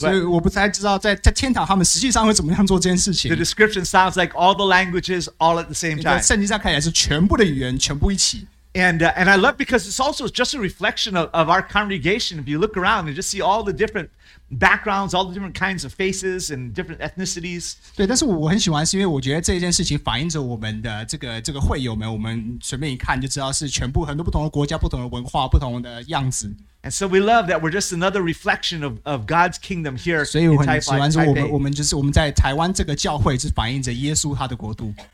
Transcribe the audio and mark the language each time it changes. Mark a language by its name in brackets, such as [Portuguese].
[Chinese] 所以我不太知道在天堂他们实际上会怎么样做这件事情。 [English] The description sounds like all the languages all at the same time. [Chinese] 圣经上看起来是全部的语言全部一起。 [English] And I love, because it's also just a reflection of our congregation. If you look around and just see all the different backgrounds, all the different kinds of faces and different ethnicities. [Chinese] 对，但是我很喜欢，是因为我觉得这件事情反映着我们的这个会友们，我们随便一看就知道是全部很多不同的国家、不同的文化、不同的样子。 [English] And so we love that we're just another reflection of God's kingdom here in Taipei. [Chinese] 所以我们就是我们在台湾这个教会是反映着耶稣他的国度。